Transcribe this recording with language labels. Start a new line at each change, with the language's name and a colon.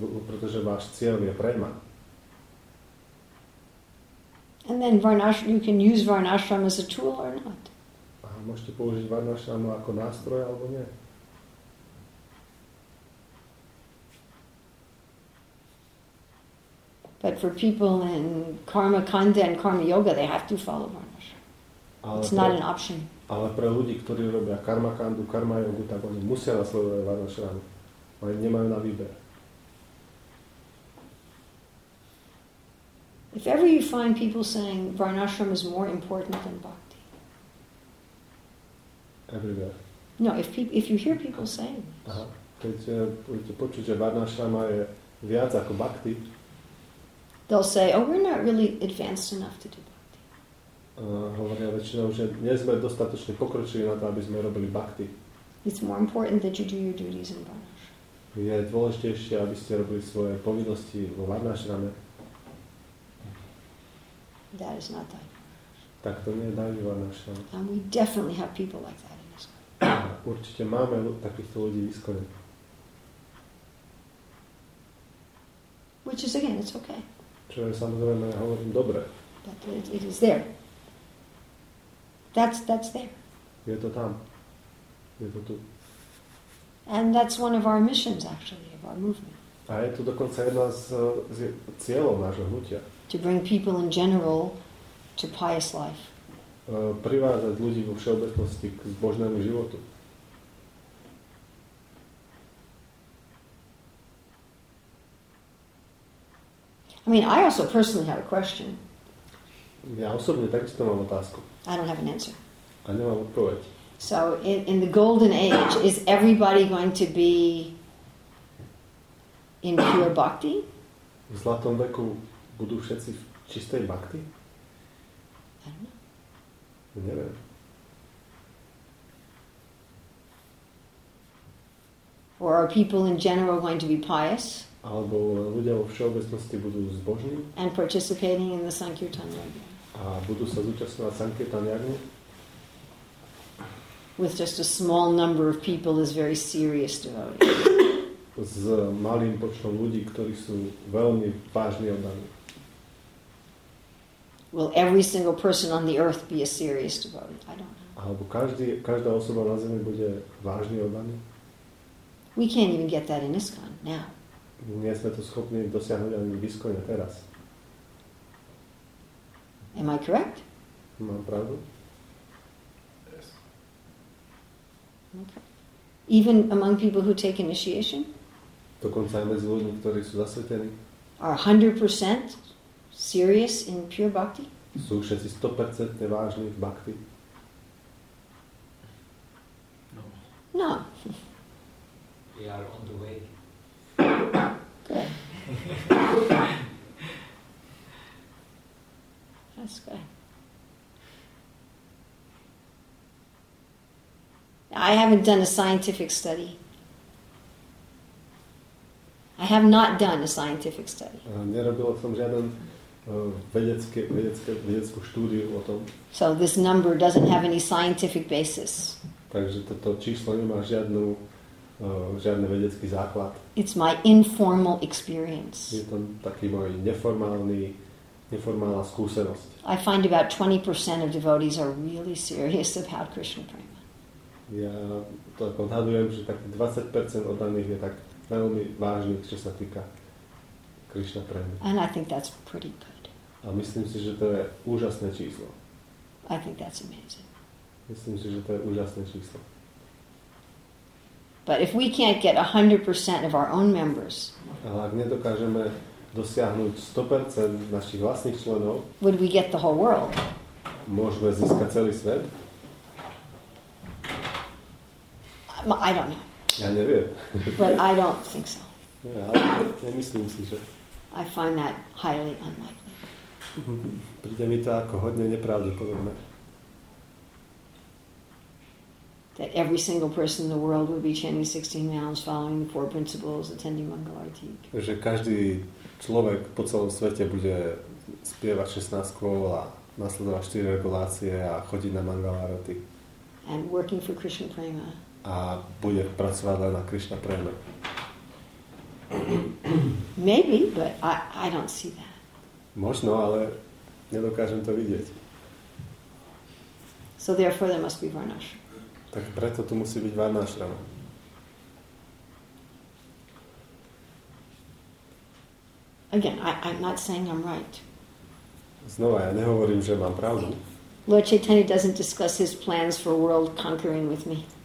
Slovak: Pretože váš cieľ je prema.
English: And then Varnashram, you can use Varnashram as a tool or not.
Slovak: A môžete použiť Varnashram ako nástroj alebo nie?
English: But for people in karma kanda and karma yoga, they have to follow Varnashram. It's not an option.
Slovak: Ale pre ľudí, ktorí robia karma kandu, karma yogu, tak oni musia nasledovať Varnashram. Oni nemajú na výber.
English: If ever you find people saying Varnashram is more important than bhakti. Everywhere. No, if you hear people saying this. Aha.
Slovak: Keď počuť, že Varnashrama je viac ako bhakti.
English: They'll say, oh, we're not really advanced enough to do bhakti.
Slovak: Hovoria väčšinou, že nie sme dostatočne pokročili na to, aby sme robili bhakti.
English: It's more important that you do your duties in Varnashram.
Slovak: Je dôležitejšie, aby ste robili svoje povinnosti vo Varnashrame.
English: That is not that.
Slovak: Tak to nie je Daivi Varnashram.
English: And we definitely have people like that in this country.
Slovak: Určite máme takýchto ľudí v Iskone.
English: Which is again, it's okay.
Slovak: Čo je samozrejme, ja hovorím, dobre.
English: But it is there. That's there.
Slovak: Je to tam. Je to tu.
English: And that's one of our missions, actually, of our movement.
Slovak: A je to dokonca jedna z cieľov nášho hnutia.
English: To bring people in general to pious life.
Slovak: Privádzať ľudí vo všeobecnosti k zbožnému životu.
English: I mean, I also personally have a question.
Slovak: Ja osobne takisto mám otázku.
English: I don't have an answer.
Slovak: A nemám odpoveď.
English: So in the golden age, is everybody going to be in pure bhakti?
Slovak: V zlatom veku budú všetci v čistej bhakti? Neviem.
English: Or are people in general going to be pious?
Slovak: Alebo ľudia vo všeobecnosti budú zbožní?
English: And participating in the sankirtan yagna.
Slovak: A budú sa zúčastňovať sankirtan yagna?
English: With just a small number of people is very serious devotees.
Slovak: S malým počtom ľudí, ktorí sú veľmi vážni oddaní.
English: Will every single person on the earth be a serious devotee? I don't know.
Slovak: Alebo každá osoba na zemi bude vážne oddaná?
English: We can't even get that in ISKCON now.
Slovak: Nie sme to schopní dosiahnuť ani v ISKCONe teraz.
English: Am I correct?
Slovak: Mám pravdu?
English: Yes. Okay. Even among people who take initiation?
Slovak: Dokonca aj medzi ľuďmi, ktorí sú zasvetení?
English: Are 100% serious in pure bhakti?
Slovak: Sú všetci 100% vážni v bhakti?
English: No. No. We are on the way. Good. That's good. I haven't done a scientific study. I have not done a scientific study.
Slovak: Nerobil som žiaden vedeckú štúdiu o tom.
English: So this number doesn't have any scientific basis.
Slovak: Takže toto číslo nemá žiadny vedecký základ.
English: It's my informal experience.
Slovak: Je to taký môj neformálna skúsenosť.
English: I find about 20% of devotees are really serious about Krishna prema.
Slovak: Ja to odhadujem, že tak 20% oddaných je tak veľmi vážne, čo sa týka Krishna prema.
English: And I think that's pretty good.
Slovak: A myslím si, že to je úžasné číslo.
English: I think that's amazing.
Slovak: Myslím si, že to je úžasné číslo.
English: But if we can't get 100% of our own members,
Slovak: ale ak nedokážeme dosiahnuť 100% našich vlastných členov,
English: would we get the whole world?
Slovak: Môžeme získať celý svet?
English: I don't know.
Slovak: Ja neviem.
English: But I don't think so.
Slovak: Ja myslím si, že...
English: I find that highly unlikely.
Slovak: Príde mi to ako hodne nepravdepodobné.
English: that every single person in the world would be chanting 16 rounds, following the four principles, attending Mangala Arati.
Slovak: Že každý človek po celom svete bude spievať 16 kôl a nasledovať 4 regulácie a chodiť na Mangala Arati.
English: And working for Krishna Prema.
Slovak: A bude pracovať len na Krishna Prema.
English: Maybe, but I don't see that.
Slovak: Možno, ale nedokážem to vidieť.
English: So therefore there must be Varnashram.
Slovak: Tak preto tu musí byť Varnashram.
English: Again, I'm not saying I'm right.
Slovak: Znova, ja nehovorím, že mám pravdu.
English: Lord Chaitanya doesn't discuss his plans for world conquering with me.